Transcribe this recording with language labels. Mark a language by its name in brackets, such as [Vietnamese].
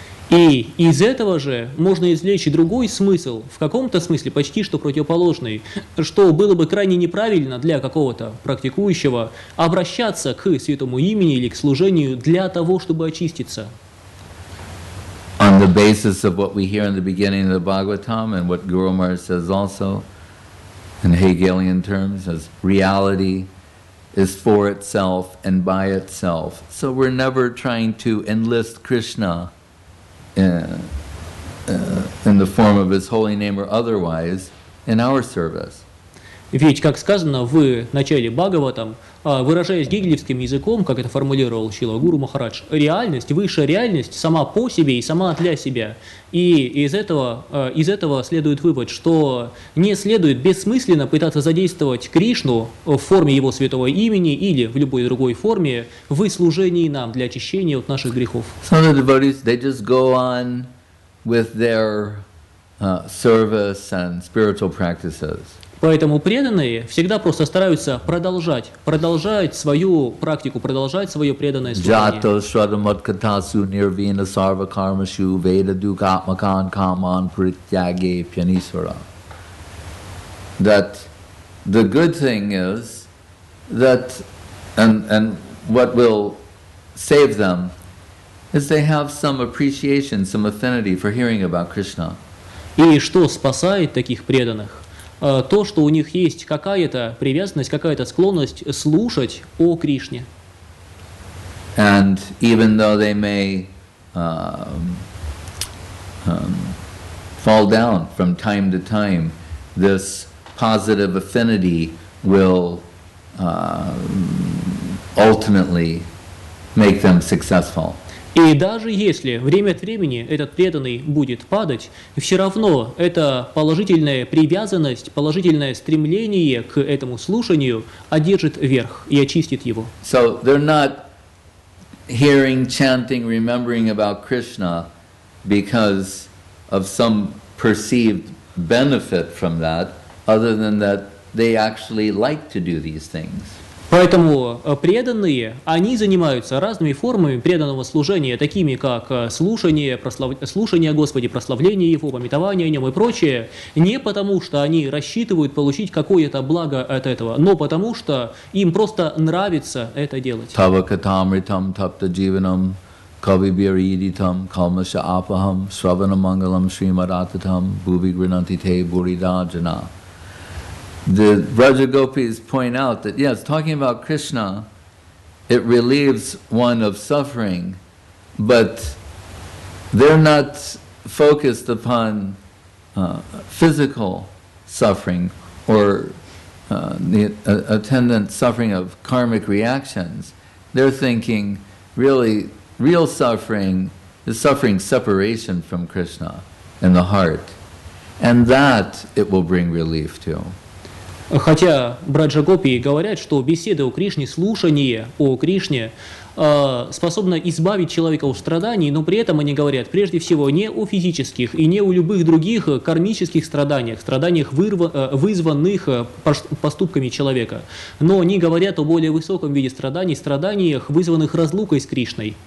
[Russian] И из этого же можно извлечь и другой смысл, в каком-то смысле почти что противоположный, что было бы крайне неправильно для какого-то практикующего обращаться к святому имени или к служению для того, чтобы очиститься. [English] On the basis of what we hear in the beginning of the Bhagavatam and what Guru Maharaj says also, in Hegelian terms, as reality is for itself and by itself. So we're never trying to enlist Krishna in the form of his holy name or otherwise in our service. [Russian] Ведь, как сказано в начале Бхагаватам, выражаясь гегелевским языком, как это формулировал Шрила Гуру Махарадж, реальность, высшая реальность сама по себе и сама для себя. И из этого следует вывод, что не следует бессмысленно пытаться задействовать Кришну в форме его святого имени или в любой другой форме в служении нам для очищения от наших грехов. [English] Some of the devotees, they just go on with their service and spiritual practices. [Russian] Поэтому преданные всегда просто стараются продолжать свою практику, продолжать свое преданное служение. [Sanskrit] Джато шрадамадкатасу нирвина сарва кармашу веда дука атмакан каман притяге пьянисвара. [English] That the good thing is that and what will save them is they have some appreciation, some affinity for hearing about Krishna. [Russian] И что спасает таких преданных? То, что у них есть какая-то привязанность, какая-то склонность слушать о Кришне. [English] And even though they may fall down from time to time, this positive affinity will ultimately make them successful. [Russian] И даже если время от времени этот преданный будет падать, все равно эта положительная привязанность, положительное стремление к этому слушанию одержит верх и очистит его. [English] So they're not hearing, chanting, remembering about Krishna because of some perceived benefit from that, other than that they actually like to do these things. [Russian] Поэтому преданные, они занимаются разными формами преданного служения, такими как слушание о Господе, прославление Его, памятование о Нем и прочее, не потому что они рассчитывают получить какое-то благо от этого, но потому что им просто нравится это делать. [Sanskrit] Тавакатамритам таптадживанам кавибиридитам калмаша апахам сраванамангалам шримадататам бувигринантите буридаджана. [English] The Rajagopis point out that, yes, talking about Krishna, it relieves one of suffering, but they're not focused upon physical suffering or attendant suffering of karmic reactions. They're thinking, really, real suffering is suffering separation from Krishna in the heart, and that it will bring relief to. [Russian] Хотя Браджа-гопии говорят, что беседа о Кришне, слушание о Кришне способно избавить человека от страданий, но при этом они говорят прежде всего не о физических и не о любых других кармических страданиях, страданиях, вызванных поступками человека, но они говорят о более высоком виде страданий, страданиях, вызванных разлукой с Кришной.